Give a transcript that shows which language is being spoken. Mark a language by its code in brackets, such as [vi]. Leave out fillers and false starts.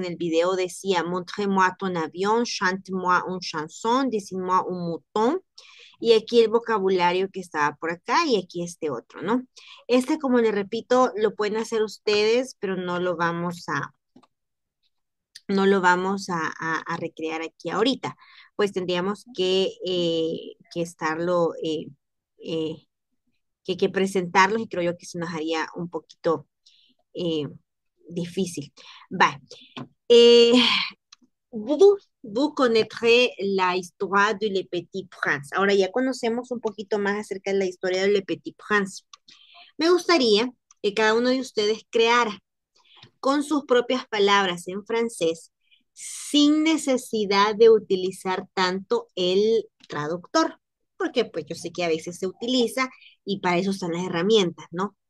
[es] En el video decía, [fr] montre-moi ton avion, chante-moi une chanson, dessine-moi un mouton. [es] Y aquí el vocabulario que estaba por acá y aquí este otro, ¿no? Este, como les repito, lo pueden hacer ustedes, pero no lo vamos a... No lo vamos a recrear aquí ahorita, pues tendríamos que estarlo, que presentarlo, y creo yo que se nos haría un poquito difícil. Va. [fr] Vous connaîtrez la histoire du Le Petit Prince. [es] Ahora ya conocemos un poquito más acerca de la historia del Le Petit Prince. Me gustaría que cada uno de ustedes creara con sus propias palabras en francés, sin necesidad de utilizar tanto el traductor, porque pues yo sé que a veces se utiliza y para eso están las herramientas, ¿no?